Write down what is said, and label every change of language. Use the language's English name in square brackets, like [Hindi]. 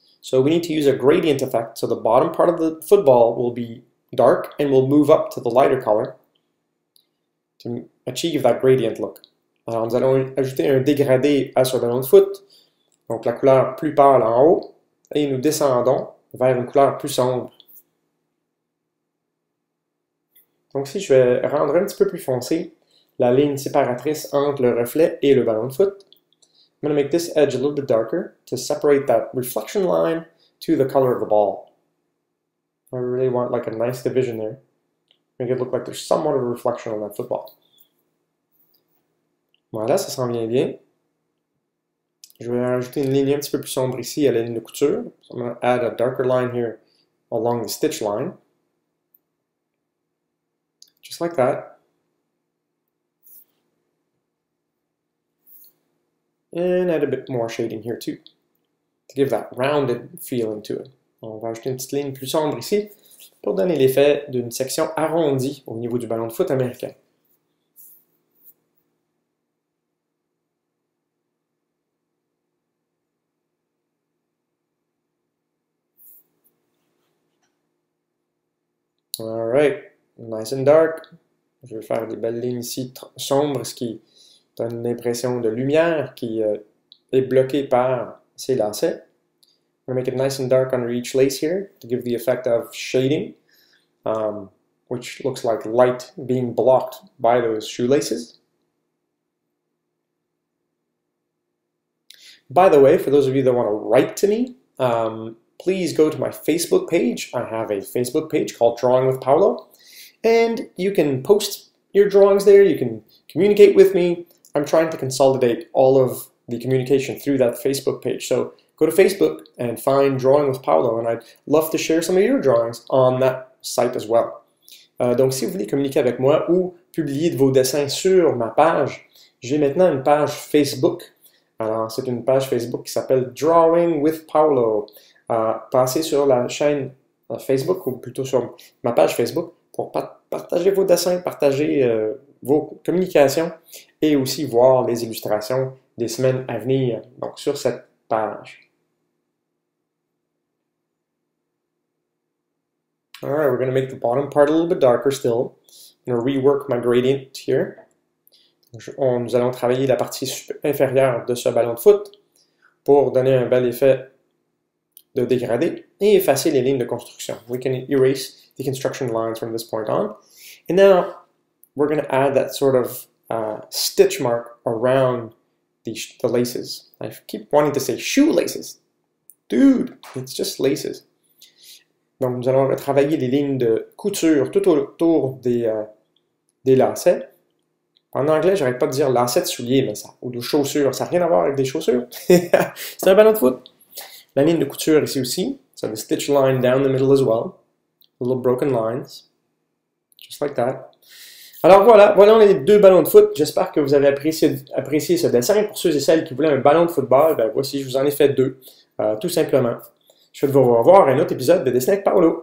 [English] So we need to use a gradient effect, so the bottom part of the football will be dark and will move up to the lighter color to achieve that gradient look. [French] Alors nous allons ajouter un dégradé à ce ballon de foot, donc la couleur plus pâle en haut, et nous descendons vers une couleur plus sombre. Donc si je vais rendre un petit peu plus foncé la ligne séparatrice entre le reflet et le ballon de foot, [English] I'm going to make this edge a little bit darker to separate that reflection line to the color of the ball. I really want like a nice division there. Make it look like there's somewhat of a reflection on that football. [French] Voilà, ça s'en vient bien. Je vais rajouter une ligne un petit peu plus sombre ici à la ligne de couture. [English] So I'm going to add a darker line here along the stitch line. Just like that. And add a bit more shading here too, to give that rounded feeling to it. [French] On va ajouter une petite ligne plus sombre ici pour donner l'effet d'une section arrondie au niveau du ballon de foot américain. [English] All right, nice and dark. [French] Je vais faire des belles lignes ici sombres, ce qui donne l'impression de lumière qui est bloquée par ces lacets. [English] I'm going to make it nice and dark under each lace here to give the effect of shading, which looks like light being blocked by those shoelaces. By the way, for those of you that want to write to me, please go to my Facebook page. I have a Facebook page called Drawing with Paolo, and you can post your drawings there. You can communicate with me. I'm trying to consolidate all of the communication through that Facebook page. So go to Facebook and find Drawing with Paolo, and I'd love to share some of your drawings on that site as well. [French] Donc, si vous voulez communiquer avec moi ou publier de vos dessins sur ma page, j'ai maintenant une page Facebook. Alors, c'est une page Facebook qui s'appelle Drawing with Paolo. Passez sur la chaîne Facebook, ou plutôt sur ma page Facebook, pour partager vos dessins, partager vos communications, et aussi voir les illustrations des semaines à venir. Donc, sur cette page. [English] All right, we're going to make the bottom part a little bit darker still. I'm going to rework my gradient here. [French] Nous allons travailler la partie inférieure de ce ballon de foot pour donner un bel effet de dégradé et effacer les lignes de construction. [English] We can erase the construction lines from this point on. And now we're going to add that sort of stitch mark around the laces. I keep wanting to say shoelaces. Dude, it's just laces. [French] Donc, nous allons retravailler les lignes de couture tout autour des lacets. En anglais, j'arrête pas de dire lacets de souliers, mais ça, ou de chaussures. Ça n'a rien à voir avec des chaussures. C'est un ballon de foot. La ligne de couture ici aussi. [English] So, the stitch line down the middle as well. Little broken lines. Just like that. [French] Alors voilà, voilà les deux ballons de foot. J'espère que vous avez apprécié ce dessin. Pour ceux et celles qui voulaient un ballon de football, ben voici, je vous en ai fait deux, tout simplement. Je souhaite vous revoir à un autre épisode de Dessiner avec Paolo.